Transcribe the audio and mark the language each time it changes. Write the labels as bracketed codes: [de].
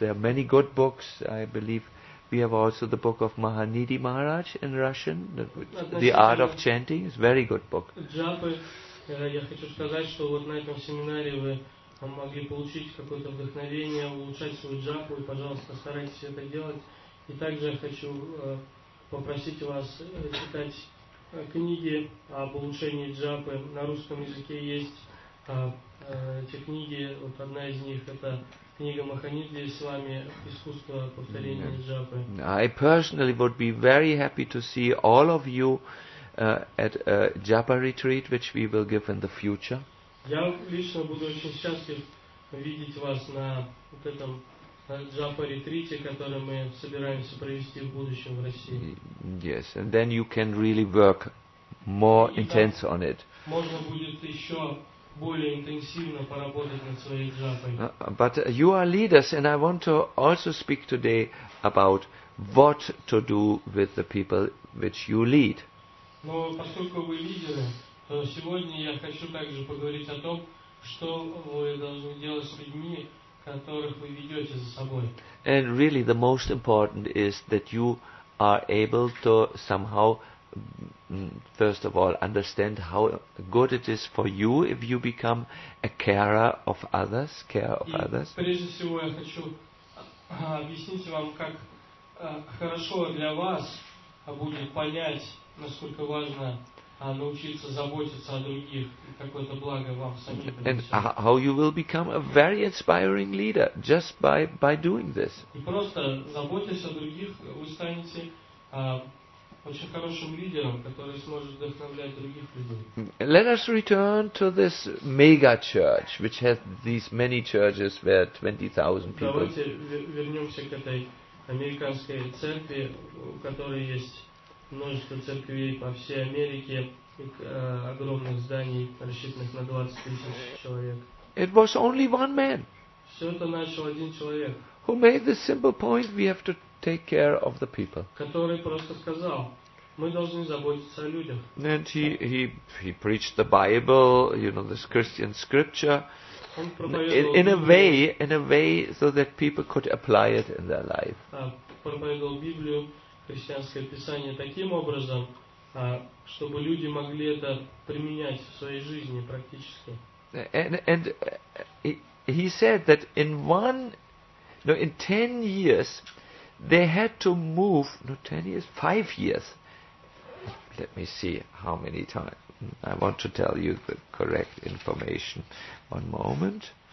[en] There are many good books. I believe we have also the book of Mahanidhi Maharaj in Russian, The Art of Chanting. It's a very good book. [ru] Джапы, я хочу сказать, что вот на этом семинаре вы могли получить какое-то вдохновение, улучшать свою джапу, и, пожалуйста, старайтесь это делать. И также я хочу попросить вас читать книги об улучшении джапы. На русском языке есть эти книги. Вот одна из них – это книга Маханидхи с вами «Искусство повторения джапы». [en] I personally would be very happy to see all of you at a japa retreat, which we will give in the future. [ru] Я лично буду очень счастлив видеть вас на вот этом джапа ретрите, который мы собираемся провести в будущем в России. [en] Yes, and then you can really work more intense on it. [ru] Можно будет еще более интенсивно поработать над своей джапой. [en] But you are leaders, and I want to also speak today about what to do with the people which you lead. [ru] Но поскольку вы лидеры, то сегодня я хочу также поговорить о том, что вы должны делать с людьми, которых вы ведете за собой. [en] And really the most important is that you are able to somehow first of all understand how good it is for you if you become a carer of others, care of others. [ru] Прежде всего я хочу объяснить вам, как хорошо для вас будет понять, насколько важно научиться заботиться о других, какое-то благо вам самим. [en] And how you will become a very inspiring leader just by doing this. [ru] И просто заботясь о других, вы станете очень хорошим лидером, который сможет вдохновлять других людей. [en] Let us return to this mega church, which has these many churches where 20,000 people. [ru] Давайте вернемся к этой американской церкви, у которой есть множество церквей по всей Америке, огромных зданий, рассчитанных на 20 тысяч человек. [en] It was only one man. [ru] Все это начал один человек. [en] Who made the simple point, we have to take care of the people. Который просто сказал, мы должны заботиться о людях. And he preached the Bible, you know, this Christian scripture. in a way so that people could apply it in their life. [ru] Проповедовал Библию, христианское писание таким образом, чтобы люди могли это применять в своей жизни практически. [en] And he said that in 10 years they had to move, not 10 years, 5 years. Let me see how many times. I want to tell you the correct information. One moment.